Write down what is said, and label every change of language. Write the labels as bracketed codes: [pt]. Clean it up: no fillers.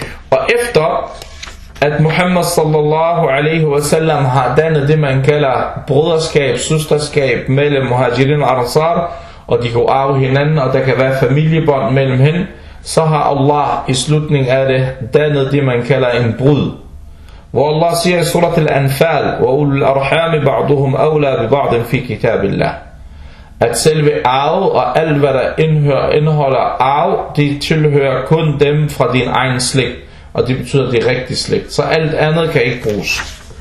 [da] Og efter at Muhammad sallallahu alaihi wasallam har dannet det, man kalder broderskab, søsterskab mellem muhajirin og ansar, og de kunne arve hinanden, og der kan være familiebånd mellem hende, så har Allah i slutningen af det dannet det, man kalder en brud. Hvor Allah siger i surat al-Anfal, [ar] وَأُولُ الْأَرْحَامِ بَعْضُهُمْ أَوْلَى بِبَعْضٍ فِي كِتَابِ اللَّهِ. [da] At selve arv og alt, hvad der indeholder arv, de tilhører kun dem fra din egen slægt. Og det betyder, det rigtige slægt. Så alt andet kan ikke bruges.